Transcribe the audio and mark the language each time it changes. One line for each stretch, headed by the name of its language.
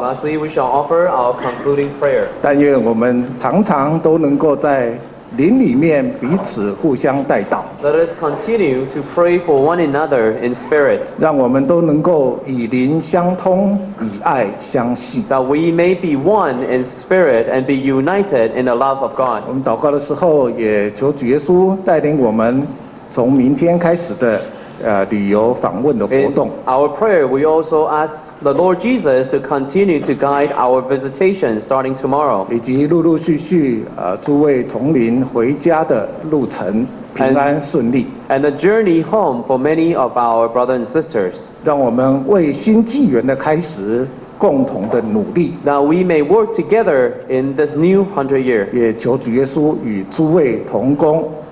English: Lastly, we shall offer our concluding prayer.
Chinese: 但愿我们常常都能够在灵里面彼此互相带祷。
English: Let us continue to pray for one another in spirit.
Chinese: 让我们都能够以灵相通，以爱相系。
English: That we may be one in spirit and be united in the love of God.
Chinese: 我们祷告的时候也求主耶稣带领我们从明天开始的旅游访问的活动。
English: In our prayer, we also ask the Lord Jesus to continue to guide our visitation starting tomorrow.
Chinese: 以及陆陆续续诸位同龄回家的路程平安顺利。
English: And the journey home for many of our brothers and sisters.
Chinese: 让我们为新纪元的开始共同的努力。
English: That we may work together in this new 100-year.
Chinese: 也求主耶稣与诸位同工。